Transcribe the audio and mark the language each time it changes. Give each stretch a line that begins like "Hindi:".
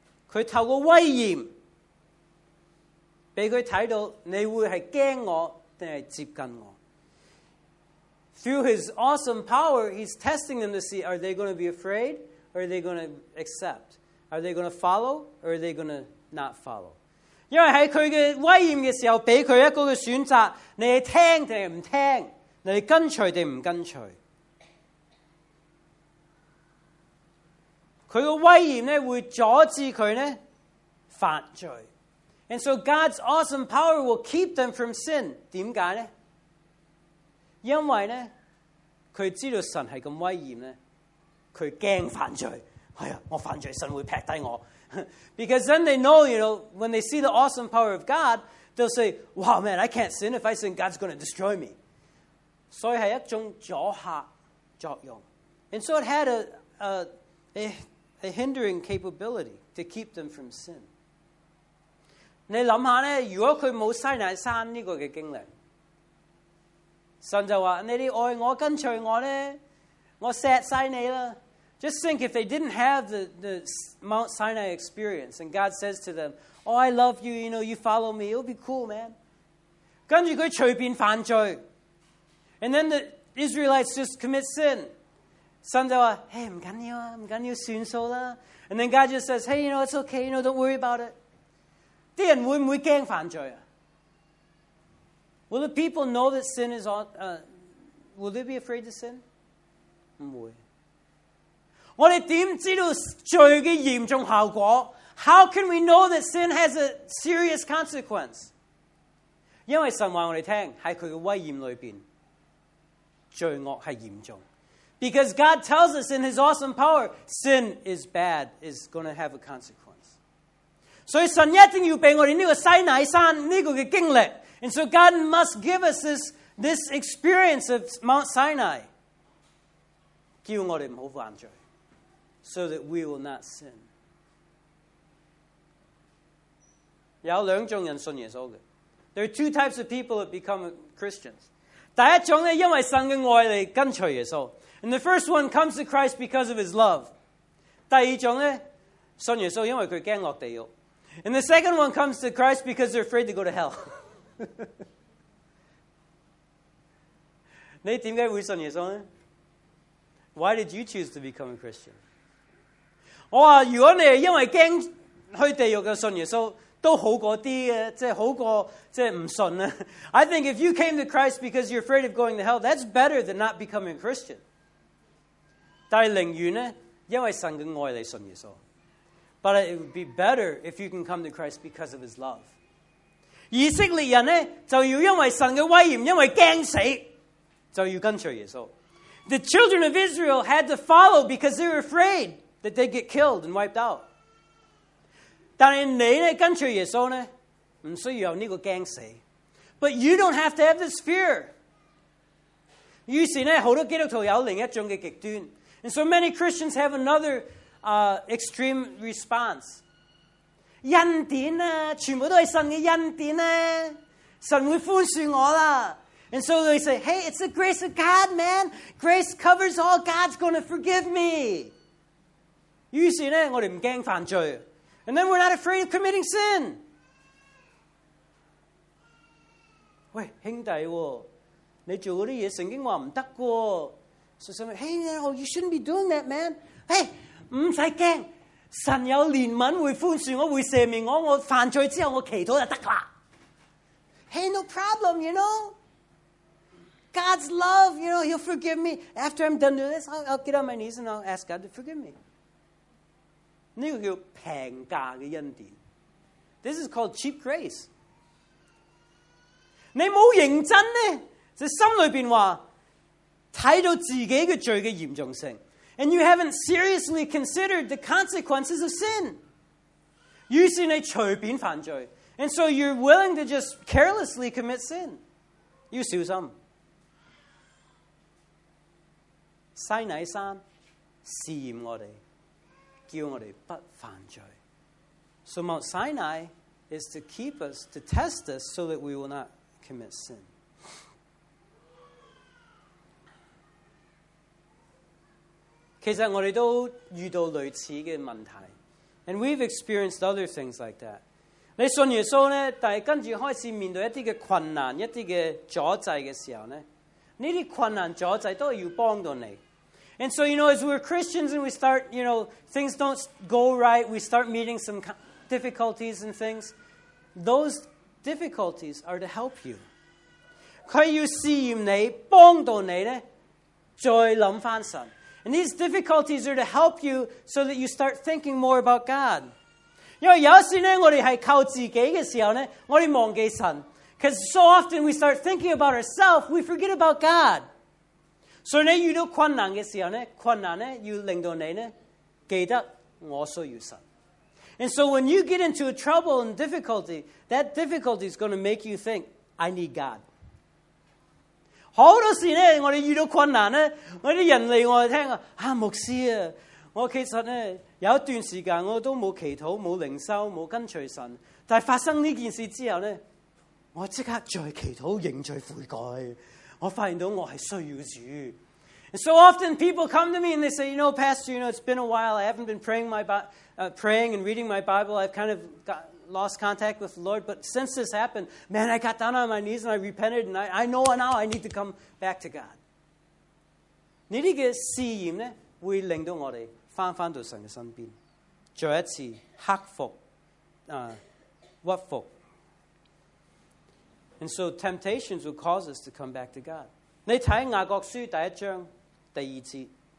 Cantonese: 佢透过威严，俾佢睇到你会系惊我定系接近我。
English: Through his awesome power, he's testing them to see, are they going to be afraid or are they going to accept? Are they going to follow or are they going to not follow?
Cantonese: 因为在他的威严的时候给他一个选择，你是听还是不听，你是跟随还是不跟随。他的威严会阻止他犯罪。
English: And so God's awesome power will keep them from sin.
Cantonese: 为什么呢？因为呢他知道神是这么威严呢，他怕犯罪，哎呀，我犯罪神会劈低我。
English: Because then they know, you know, when they see the awesome power of God, they'll say, wow, man, I can't sin. If I sin, God's going to destroy me.
Cantonese: 所以是一种阻吓作用。
English: And so it had a hindering capability to keep them from sin.
Cantonese: 你想想呢，如果他没有西乃山这个经历，神就说你们爱我跟随我呢，我锡晒你了。
English: Just think if they didn't have the Mount Sinai experience and God says to them, oh, I love you, you know, you follow me, it'll be cool, man.
Cantonese: 跟着他随便犯罪，
English: and then the Israelites just commit sin.
Cantonese: 神就说 hey, 不紧要啊，不紧要，算数啦。
English: And then God just says, hey, you know, it's okay, you know, don't worry about it.
Cantonese: 啲人会不会怕犯罪啊？
English: Will the people know that sin is all, will they be afraid to sin?
Cantonese: 不会。我们怎知道罪的严重效果？
English: How can we know that sin has a serious consequence?
Cantonese: 因为神告诉我们，在祂的威严里面，罪恶是严重。
English: Because God tells us in His awesome power, sin is bad, is going to have a consequence.
Cantonese: 所以神一定要给我们这个西乃山这个经历。
English: And so God must give us this experience of Mount Sinai.
Cantonese: 叫我们不要犯罪，
English: so that we will not sin.
Cantonese: 有两种人信耶稣的。
English: There are two types of people that become Christians.
Cantonese: 第一种呢，因为神的爱来跟随耶稣。
English: And the first one comes to Christ because of his love.
Cantonese: 第一种呢，信耶稣因为他怕落地狱。
English: And the second one comes to Christ because they're afraid to go to hell.
Cantonese: 你为什么会信耶稣呢？
English: Why did you choose to become a Christian?
Cantonese: 我说如果你是因为怕去地狱的信耶稣都好过一些，即好过即不信。
English: I think if you came to Christ because you're afraid of going to hell, that's better than not becoming a Christian.
Cantonese: 但是宁愿呢因为神的爱来信耶稣。
English: But it would be better if you can come to Christ because of his love.
Cantonese: 以色列人呢，就要因为神的威严，因为惊死，就要跟随耶稣。
English: The children of Israel had to follow because they were afraid that they'd get killed and wiped out.
Cantonese: 但是你呢，跟随耶稣呢，不需要有这个惊死。
English: But you don't have to have this fear.
Cantonese: 于是呢，很多基督徒有另一种的极端。
English: And so many Christians have another extreme response.
Cantonese: 恩典啊，全部都是神的恩典啊，神会宽恕我啦。
English: And so they say, hey, it's the grace of God, man. Grace covers all. God's going to forgive me.
Cantonese: 于是呢，我们不怕犯罪。
English: And then we're not afraid of committing sin.
Cantonese: 喂，兄弟，你做那些事圣经说不得的。
English: So somebody, hey, you shouldn't be doing that, man.
Cantonese: Hey, 不用怕。神有怜悯会宽恕我会赦免我，我犯罪之后我祈祷就得啦。
English: Hey, no problem, you know. God's love, you know, He'll forgive me. After I'm done doing this, I'll get on my knees and I'll ask God to forgive me.
Cantonese: 这个叫平价的恩典。
English: This is called cheap grace.
Cantonese: 你没有认真呢，就心里面说，看到自己的罪的严重性。
English: And you haven't seriously considered the consequences of sin. 于是你随便犯罪。And so you're willing to just carelessly commit sin.
Cantonese: 要小心。西乃山试验我们，叫我们不犯罪。
English: So Mount Sinai is to keep us, to test us so that we will not commit sin.
Cantonese: 其实我们都遇到类似的问题。
English: And we've experienced other things like that.
Cantonese: 你信耶稣呢，但是跟着开始面对一些困难，一些阻滞的时候呢，这些困难阻滞都要帮到你。
English: And so, you know, as we're Christians and we start, you know, things don't go right, we start meeting some difficulties and things, those difficulties are to help you.
Cantonese: 他要试验你，帮到你呢，再谂翻神。
English: And these difficulties are to help you so that you start thinking more about God.
Cantonese: 因为有时呢，我们是靠自己的时候呢，我们忘记神。
English: Because so often we start thinking about ourselves, we forget about God. So when you do
Cantonese: 困难的时候呢，困难呢，要令到你呢，记得我需要神。
English: And so when you get into a trouble and difficulty, that difficulty is going to make you think, I need God.
Cantonese: 好多时呢，我哋遇到困难呢，我啲人嚟我哋听啊，牧师啊，我其实呢，有一段时间我都冇祈祷、冇灵修、冇跟随神，但系发生呢件事之后呢，我即刻再祈祷认罪悔改，我发现到我是需要主。
English: And so often people come to me and they say, you know, Pastor, you know, it's been a while. I haven't been praying, praying and reading my Bible. I've kind of got lost contact with the Lord. But since this happened, man, I got down on my knees and I repented. And I know now I need to come back to God.
Cantonese: 这些试验呢，会令到我们回到神的身边，再一次克服屈服。
English: And so temptations will cause us to come back to God.
Cantonese: 你睇雅各书第一章第二节。